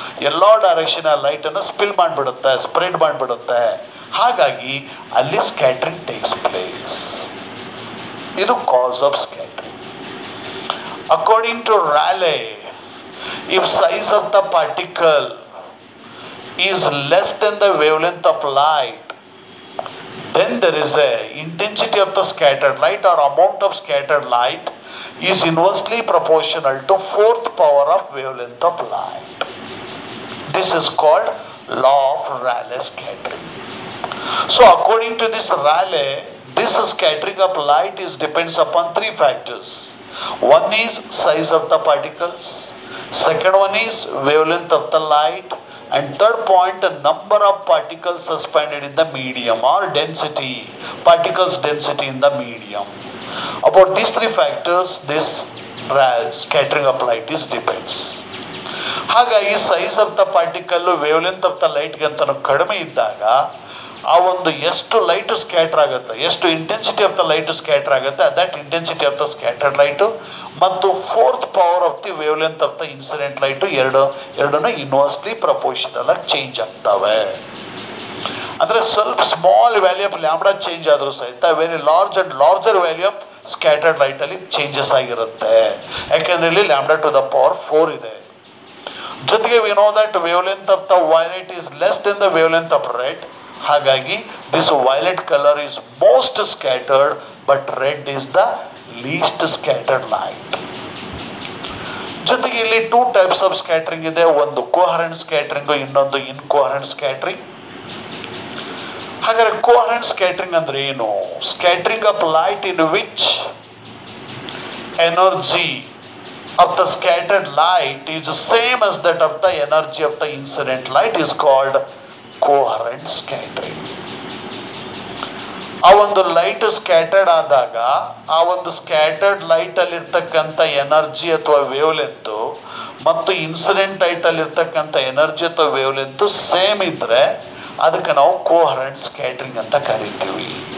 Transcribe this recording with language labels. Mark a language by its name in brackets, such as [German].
[Kannada] ಎಲ್ಲಾ direction light ಅನ್ನು spill ಮಾಡಿಬಿಡುತ್ತೆ, spread ಮಾಡಿಬಿಡುತ್ತೆ. ಹಾಗಾಗಿ ಅಲ್ಲಿ [English] Scattering takes place. [Kannada] ಇದು ಕಾಸ್ of scattering. [English] According to Rayleigh, if size of the particle is less than the wavelength of light, then there is a intensity of the scattered light or amount of scattered light is inversely proportional to fourth power of wavelength of light. This is called law of Rayleigh scattering. So according to this Rayleigh, this scattering of light is depends upon three factors. One is size of the particles, second one is wavelength of the light, and third point, number of particles suspended in the medium, or density, particles density in the medium. About these three factors, this scattering of light is depends. [Kannada] ಹಾಗಾಗಿ size of the particle wave length of the ಲೈಟ್ಗೆ ಅಂತ ಕಡಿಮೆ ಇದ್ದಾಗ ಆ ಒಂದು ಎಷ್ಟು light scatter ಆಗುತ್ತೆ, ಎಷ್ಟು intensity of the light scatter ಆಗುತ್ತೆ, [English] that intensity of the scattered light [Kannada] ಮತ್ತು fourth power of the wave length of the incident light ಎರಡನ್ನೂ ಇನ್ವರ್ಸ್ಲಿ ಪ್ರಪೋರ್ಷನಲ್ ಆಗಿ ಚೇಂಜ್ ಆಗ್ತವೆ. ಅಂದರೆ ಸ್ವಲ್ಪ small value of lambda change ಆದರೂ ಸಹಿತ [English] very large and larger value of scattered ಲೈಟಲ್ಲಿ [Kannada] changes ಆಗಿರುತ್ತೆ, ಯಾಕೆಂದರೆ ಇಲ್ಲಿ ಲ್ಯಾಂಬ್ಡಾ ಟು ದ ಪವರ್ 4 ಇದೆ. [English] ಜೊತೆಗೆ we know that wavelength of the violet is less than the wavelength of red, ಹಾಗಾಗಿ this violet colour is most scattered but red is the least scattered light. [Kannada] ಜೊತೆಗೆ ಇಲ್ಲಿ 2 types of scattering ಇದೆ, ಒಂದು coherent scattering, ಇನ್ನೊಂದು ಇನ್ಕೋಹರೆಂಟ್ scattering. ಹಾಗಾದ್ರೆ coherent scattering ಅಂದ್ರೆ ಏನು? [English] Scattering of light in which energy of the scattered light is the same as that of the energy of the incident light is called coherent scattering. [Kannada] ಆ ಒಂದು light scattered ಆದಾಗ ಆ ಒಂದು scattered light ಅಲ್ಲಿರ್ತಕ್ಕಂಥ energy ಅಥವಾ wave length ಮತ್ತು incident light ಅಲ್ಲಿರ್ತಕ್ಕಂಥ energy ಅಥವಾ ವೇವ್ ಲೆಂತ್ ಸೇಮ್ ಇದ್ರೆ ಅದಕ್ಕೆ ನಾವು ಕೋಹರೆಂಟ್ ಸ್ಕ್ಯಾಟರಿಂಗ್ ಅಂತ ಕರಿತೀವಿ.